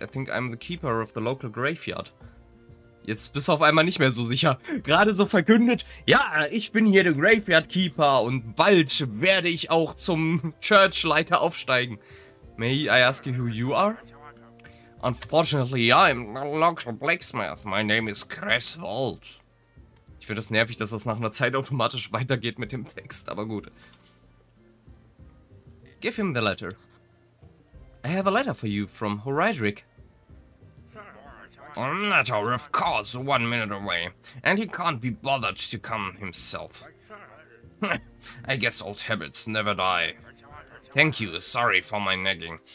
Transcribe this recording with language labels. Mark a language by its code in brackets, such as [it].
[en] I think I'm the keeper of the local graveyard. [de] Jetzt bist du auf einmal nicht mehr so sicher. Gerade so verkündet, ja, ich bin hier der Graveyard Keeper und bald werde ich auch zum Churchleiter aufsteigen. [en] May I ask you who you are? Unfortunately, I'm the local blacksmith. My name is Creswald. [de] Ich finde das nervig, dass das nach einer Zeit automatisch weitergeht mit dem Text, aber gut. [en] Give him the letter. I have a letter for you from Horidric. A letter, of course, 1 minute away. And he can't be bothered to come himself. I guess old habits never die. Thank you, sorry for my nagging.